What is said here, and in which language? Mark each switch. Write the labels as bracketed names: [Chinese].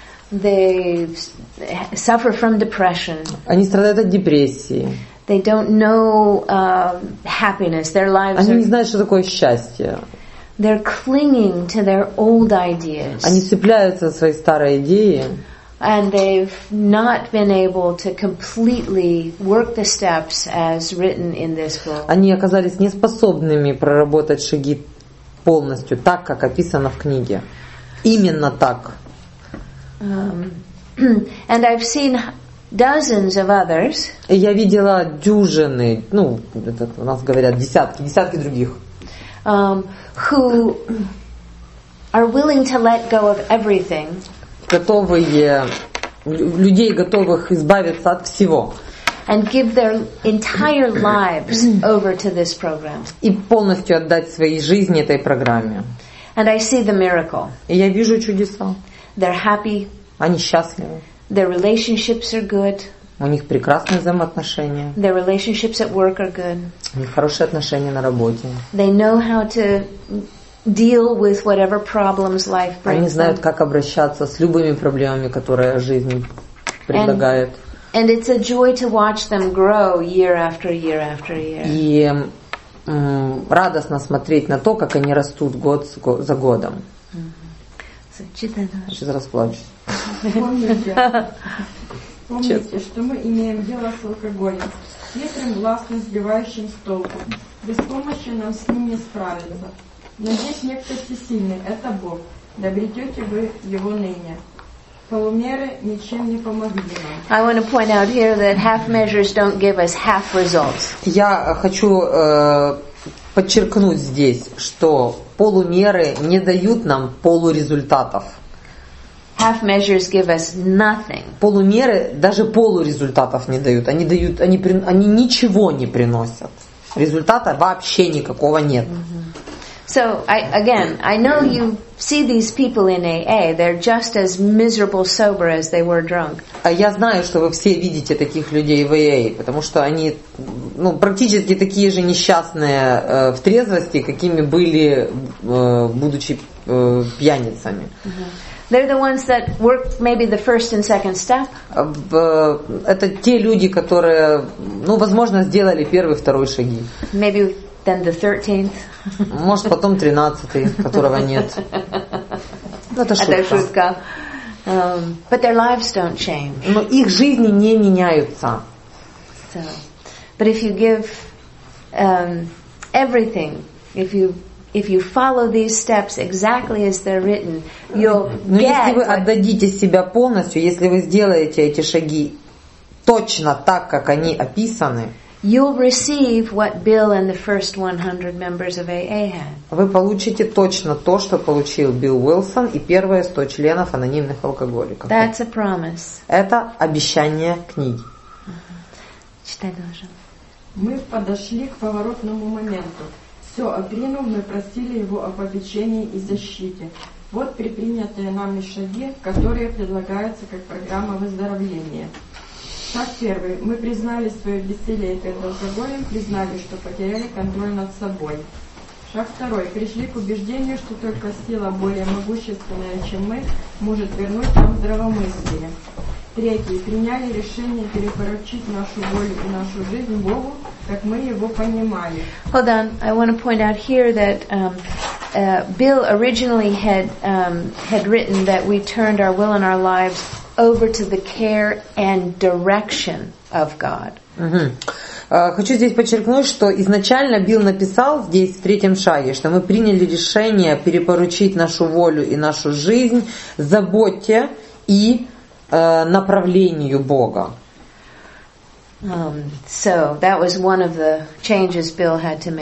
[English] They suffer from depression. [Russian] Они страдают от депрессии. [English] They don't know happiness. Their lives. [Russian] Они не знают, что такое счастье. [English] They're clinging to their old ideas. [Russian] Они цепляются за свои старые идеи. [English] And they've not been able to completely work the steps as written in this book. [Russian] Они оказались неспособными проработать шаги полностью так, как описано в книге. Именно так. [English] And I've seen dozens of others. [Russian] И я видела дюжины, ну, это у нас говорят десятки других. [English] Who are willing to let go of everything? [Russian] Готовые людей, готовых избавиться от всего. [English] And give their entire lives over to this program. [Russian] И полностью отдать свои жизни этой программе. [English] And I see the miracle. [Russian] И я вижу чудеса. [English] They're happy. [Russian] Они счастливы. [English] Their relationships are good. [Russian] У них прекрасные взаимоотношения. [English] Their relationships at work are good. [Russian] У них хорошие отношения на работе. [English] They know how to deal with whatever problems life brings. [Russian] Они знают, как обращаться с любыми проблемами, которые жизнь предлагает. [English] And it's a joy to watch them grow year after year after year. [Russian] И радостно смотреть на то, как они растут год за годом. Сейчас расплачусь. Помните, что мы имеем дело с алкоголем, хитрым, властным, сбивающим с толку. Без помощи нам с ним не справиться. Но здесь некто всесильный, это Бог. Добретете вы его ныне. Полумеры ничем не помогли нам. [English] I want to point out here that half measures don't give us half results. [Russian] Я хочу подчеркнуть здесь, что полумеры не дают нам полурезультатов. [English] Half measures give us nothing. [Russian] Полумеры даже полурезультатов не дают. Они дают, они ничего не приносят. Результата вообще никакого нет. [English] So I know you see these people in AA. They're just as miserable sober as they were drunk. [Russian] А я знаю, что вы все видите таких людей в AA, потому что они, ну, практически такие же несчастные в трезвости, какими были будучи пьяницами. [English] They're the ones that work maybe the first and second step. [Russian] Это те люди, которые, ну, возможно, сделали первый, второй шаги. [English] Maybe then the 13th. [Russian] Может, потом 13-й, которого нет. Это шутка. Это шутка. [English] But their lives don't change. [Russian] Но их жизни не меняются. [English] So, but if you give everything, if you follow these steps exactly as they're written, you'll [Russian] Но [English] get. [Russian] Но если вы отдадите себя полностью, если вы сделаете эти шаги точно так, как они описаны, [English] you'll receive what Bill and the first 100 members of AA had. [Russian] Вы получите точно то, что получил Билл Уилсон и первые 100 членов анонимных алкоголиков. [English] That's a promise. [Russian] Это обещание книги. Читай дальше. Мы подошли к поворотному моменту. Все отринув, мы просили его об обучении и защите. Вот предпринятые нами шаги, которые предлагаются как программа выздоровления. Шаг первый. Мы признали свое бессилие перед алкоголем, признали, что потеряли контроль над собой. Шаг второй. Пришли к убеждению, что только сила более могущественная, чем мы, может вернуть нам здравомыслие. Третий. Приняли решение перепоручить нашу волю и нашу жизнь Богу, как мы его понимали. [English] Hold on. I want to point out here that Bill originally had written that we turned our will and our lives over to the care and direction of God. [Russian] Хочу здесь подчеркнуть, что изначально Билл написал здесь в третьем шаге, что мы приняли решение перепоручить нашу волю и нашу жизнь заботе и направлению Бога. [English] So that was one of the changes Bill had to make.